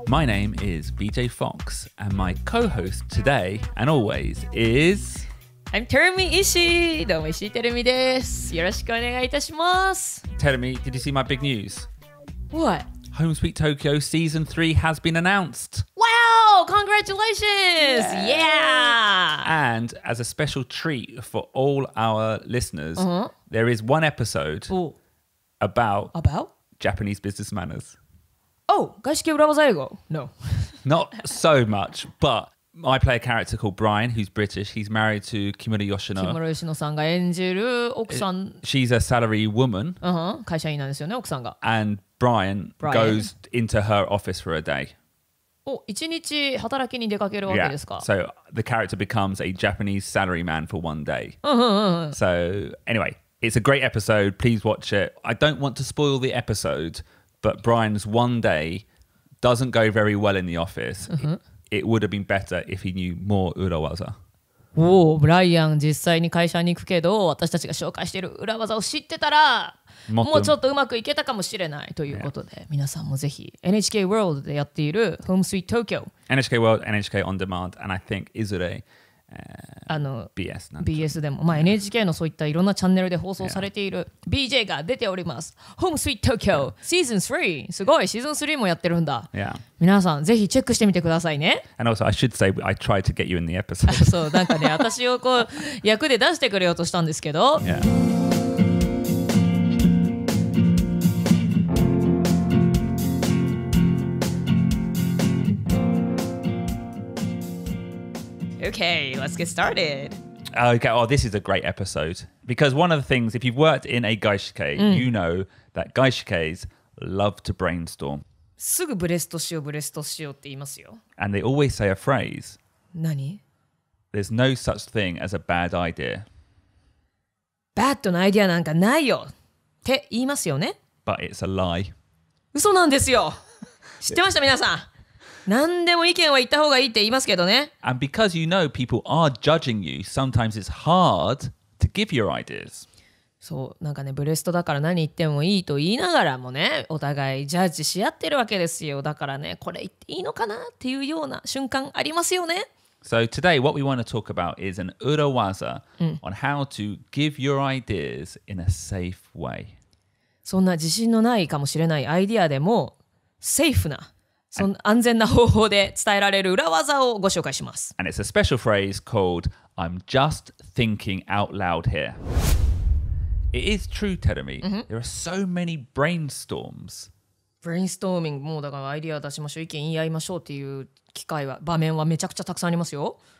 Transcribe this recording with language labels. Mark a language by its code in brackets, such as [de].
[en] My name is BJ Fox and my co-host today and always is... I'm Terumi Ishii! [ja] どうも石井テルミです。よろしくお願いいたします。 [en] Terumi, did you see my big news? What? Home Sweet Tokyo season 3 has been announced! Wow! Congratulations! Yeah! And as a special treat for all our listeners,、uh-huh. There is one episode、Ooh. about Japanese business manners. Oh, 外資系裏技英語?No. Not so much, but I play a character called Brian, who's British. He's married to Kimura Yoshino. [ja] Kimura Yoshino さんが演じる奥さん。 [en] She's a salary woman. Uh-huh. [ja] 会社員なんですよね、奥さんが。 [en] And Brian goes into her office for a day. So the character becomes a Japanese salaryman for one day. So anyway, it's a great episode. Please watch it. I don't want to spoil the episode, but Brian's one day doesn't go very well in the office. It would have been better if he knew more 裏技. [ja] Oh, Brian, 実際に会社に行くけど、私たちが紹介している裏技を知ってたら。もうちょっとうまくいけたかもしれないということで、yeah. 皆さんもぜひ NHK World でやっている Home Sweet Tokyo [en] NHK World, NHK On Demand and I think [ja] いずれ、BS なんか BS でも、まあ、NHK のそういったいろんなチャンネルで放送されている BJ が出ております、yeah. Home Sweet Tokyo、yeah. Season 3すごいシーズン3もやってるんだ、 [en] yeah. [ja] 皆さんぜひチェックしてみてくださいね [en] And also I should say I tried to get you in the episode [ja] そうなんかね私をこう役で出してくれようとしたんですけど、 [en] yeah. Okay, let's get started. Okay, oh, this is a great episode. Because one of the things, if you've worked in a 外資系, you know that 外資系 love to brainstorm. [ja] すぐブレストしよう、ブレストしようって言いますよ。 [en] And they always say a phrase. [ja] 何? [en] There's no such thing as a bad idea. [ja] Bad のアイデアなんかないよって言いますよね。 [en] But it's a lie. [ja] 嘘なんですよ。知ってました、皆さん。何でも意見は言った方がいいって言いますけどね。 [en] And because you know people are judging you, sometimes it's hard to give your ideas. [ja] そう、なんかね、ブレストだから何言ってもいいと言いながらもね、お互いジャッジし合ってるわけですよ。だからね、これ言っていいのかなっていうような瞬間ありますよね。 [en] So today what we want to talk about is an 裏技、うん、on how to give your ideas in a safe way. [ja] そんな自信のないかもしれないアイディアでも、セーフな。その安全な方法で伝えられる裏技をご紹介します。 [en] And it's a special phrase called I'm just thinking out loud here. It is true, Terumi. There are so many brainstorms. [ja] Brainstorming, もうだからアイディア出しましょう、意見言い合いましょうっていう機会は、場面はめちゃくちゃたくさんありますよ。